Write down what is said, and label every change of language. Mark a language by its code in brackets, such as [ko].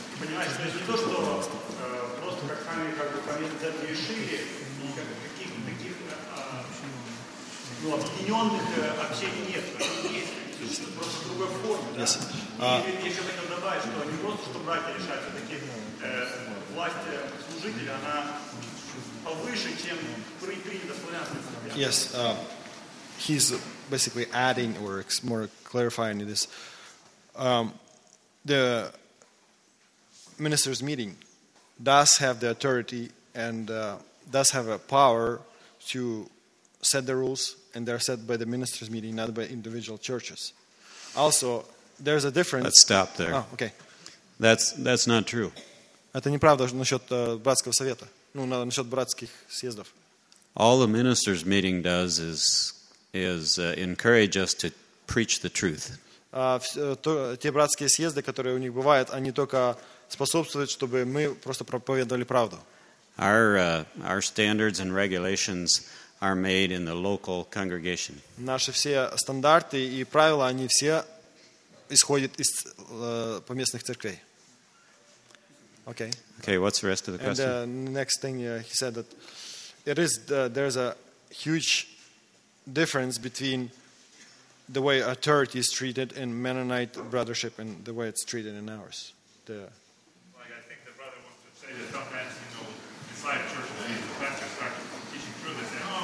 [ru] Понимаешь, то есть не то, что просто как сами как бы поменять церкви решили, но каких-то таких объединенных общений нет. Просто в другой форме, да? И я еще хотел добавить, что не просто, что братья решают, все-таки власть служителя, она повыше, чем принято славянство. [en] Yes, he's basically adding or more clarifying this. The minister's meeting does have the authority and does have a power to set the rules, and they're set by the minister's meeting, not by individual churches. Also, there's a difference. Let's stop there. Oh, okay. That's not true. [ru] Это неправда насчёт братского совета. Ну, насчёт братских съездов. [en] All the ministers' meeting does is encourage us to preach the truth. [ru] Те братские съезды, которые у них бывают, они только способствуют, чтобы мы просто проповедовали правду. [en] Our standards and regulations are made in the local congregation. [ru] Наши все стандарты и правила, они все исходят из поместных церквей. [en] Okay. Okay, what's the rest of the and question? And the next thing he said that it is there's a huge difference between the way authority is treated in Mennonite brothership and the way it's treated in ours. The like I think the brother wants to say that sometimes inside church the pastor starts